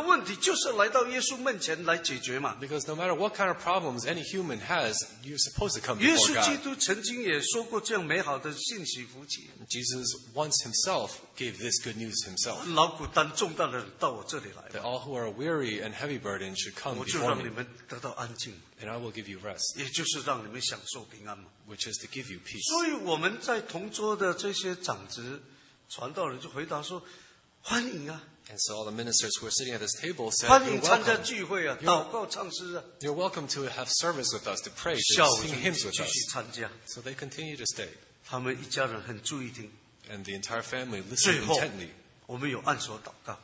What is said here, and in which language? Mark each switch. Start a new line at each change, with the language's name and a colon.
Chinese: 你任何人的问题就是来到耶稣面前来解决嘛。
English: Because no matter what kind of problems any human has, you're supposed to come before God.
Chinese: 耶稣基督曾经也说过这样美好的信息福气。
English: Jesus once himself gave this good news himself.
Chinese: 劳苦担重担的人到我这里来。
English: That all who are weary and heavy burdened should come before me.
Chinese: 我就让你们得到安静。
English: And I will give you rest.
Chinese: 也就是让你们享受平安嘛,
English: which is to give you peace.
Chinese: 所以我们在同桌的这些长子, 传道人就回答说, 欢迎啊,
English: and so all the ministers who are sitting at this table said,
Chinese: 欢迎参加聚会啊,
English: you're,
Chinese: 祷告唱诗啊,
English: you're welcome to have service with us, to pray, to sing hymns with us. So they continue to stay.
Chinese: 他们一家人很注意听,
English: and the entire family listened
Chinese: 最后,
English: intently.
Chinese: 我们有按手祷告,